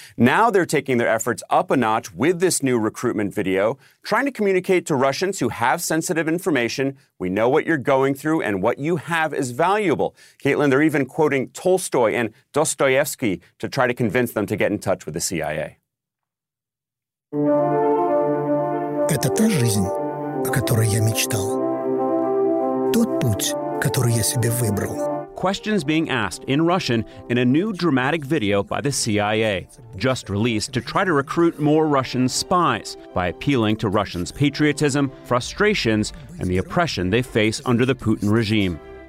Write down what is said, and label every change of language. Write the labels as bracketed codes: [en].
[en] Now they're taking their efforts up a notch with this new recruitment video, trying to communicate to Russians who have sensitive information, we know what you're going through and what you have is valuable. Caitlin, they're even quoting Tolstoy and Dostoevsky to try to convince them to get in touch with the CIA. [ru] Это та жизнь, о которой я мечтал. Тот путь, который я себе выбрал. [en] questions being asked in Russian in a new dramatic video by the CIA, just released to try to recruit more Russian spies by appealing to Russians' patriotism, frustrations, and the oppression they face under the Putin regime.